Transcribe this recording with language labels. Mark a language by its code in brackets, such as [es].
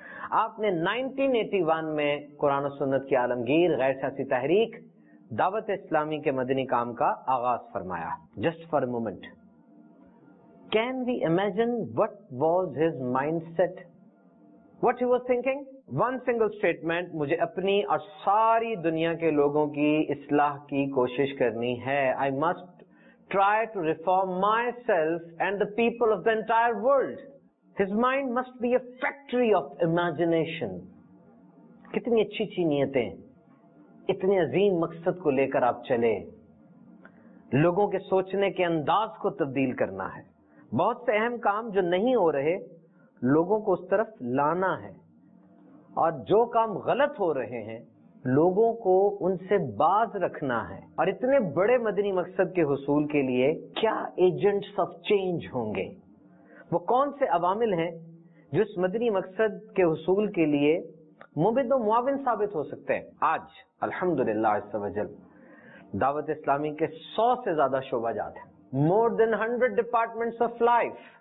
[ur] آپ نے 1981 میں قرآن و سنت کی عالمگیر غیر سیاسی تحریک دعوت اسلامی کے مدنی کام کا آغاز فرمایا۔ [en] Just for a moment, can we imagine what was his mindset, what he was thinking? One single statement, [ur] مجھے اپنی اور ساری دنیا کے لوگوں کی اصلاح کی کوشش کرنی ہے۔ [en] I must try to reform myself and the people of the entire world. His mind must be a factory of imagination. [ur] کتنی اچھی اچھی نیتیں، اتنے عظیم مقصد کو لے کر آپ چلے، لوگوں کے سوچنے کے انداز کو تبدیل کرنا ہے۔ بہت سے اہم کام جو نہیں ہو رہے، لوگوں کو اس طرف لانا ہے، اور جو کام غلط ہو رہے ہیں، لوگوں کو ان سے باز رکھنا ہے۔ اور اتنے بڑے مدنی مقصد کے حصول کے لیے کیا ایجنٹس آف چینج ہوں گے؟ وہ کون سے عوامل ہیں جو اس مدنی مقصد کے حصول کے لیے مبد و معاون ثابت ہو سکتے ہیں؟ آج الحمدللہ عزوجل دعوت اسلامی کے 100 سے زیادہ شعبہ جات ہیں، [en] more than 100 departments of life